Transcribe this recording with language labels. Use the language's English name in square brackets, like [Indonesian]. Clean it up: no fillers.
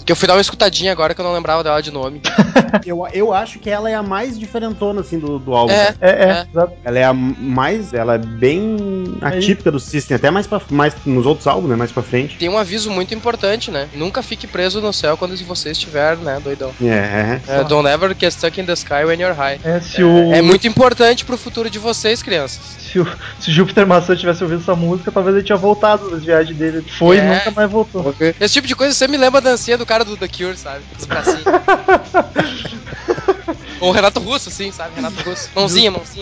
[Portuguese] Porque eu fui dar uma escutadinha agora que eu não lembrava dela de nome. Eu acho que ela é a mais diferentona, assim, do álbum. Ela é a mais, ela é bem atípica do System, até mais nos outros álbuns, né, mais pra frente. Tem um aviso muito importante, né, nunca fique preso no céu quando você estiver, né, doidão. [English] Don't ever get stuck in the sky when you're high. [Portuguese] É muito importante pro futuro de vocês, crianças. Se Júpiter Maçã tivesse ouvido essa música, talvez ele tinha voltado das viagens dele. Foi e nunca mais voltou. Okay. Esse tipo de coisa, você me lembra a dancinha do cara do The Cure, sabe? Ou Renato Russo, sim, sabe? Renato Russo. Mãozinha.